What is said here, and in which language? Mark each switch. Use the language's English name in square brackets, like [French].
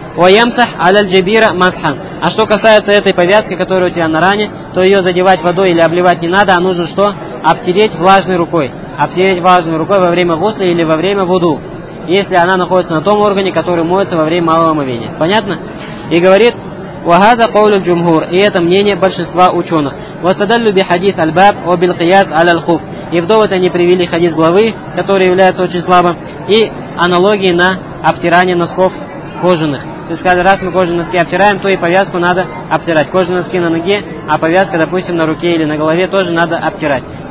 [Arabic] Уаямсах аляль джабира масхан. [Russian] А что касается этой повязки, которая у тебя на ране, то ее задевать водой или обливать не надо, а нужно что? Обтереть влажной рукой. Обтереть влажной рукой во время гусля или во время вуду, если она находится на том органе, который моется во время малого омовения. Понятно? И говорит, [Arabic] وَهَذَا قَوْلُ الْجُمْهُرِ. [Russian] И это мнение большинства ученых. [Arabic] وَسَدَلُّ بِحَدِيثَ الْبَابِ وَبِالْقِيَاسِ عَلَى الْخُفِ. [Russian] И в довод они привели хадис главы, который является очень слабым, и аналогии на обтирание носков кожаных. То есть сказали, раз мы кожаные носки обтираем, то и повязку надо обтирать. Кожаные носки на ноге, а повязка, допустим, на руке или на голове тоже надо обтирать.